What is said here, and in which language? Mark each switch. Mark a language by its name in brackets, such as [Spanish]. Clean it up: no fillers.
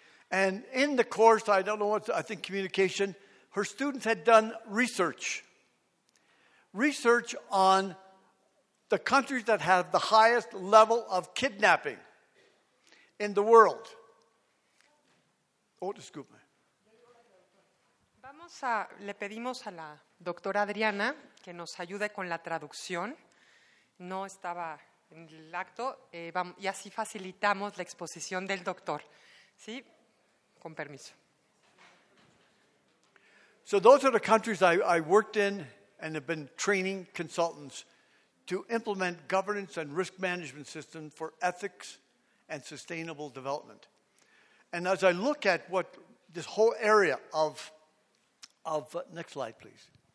[English] And in the course, I don't know what, I think communication, her students had done research. Research on the countries that have the highest level of kidnapping in the world. Oh, excuse me. [Spanish] Vamos a, le pedimos a la doctora Adriana que nos ayude con la traducción. No estaba en el acto. Vamos, y así facilitamos la exposición del doctor. ¿Sí? Con permiso. [English] So those are the countries I worked in and have been training consultants to implement governance and risk management systems for ethics and sustainable development. And as I look at what this whole area of next slide, please.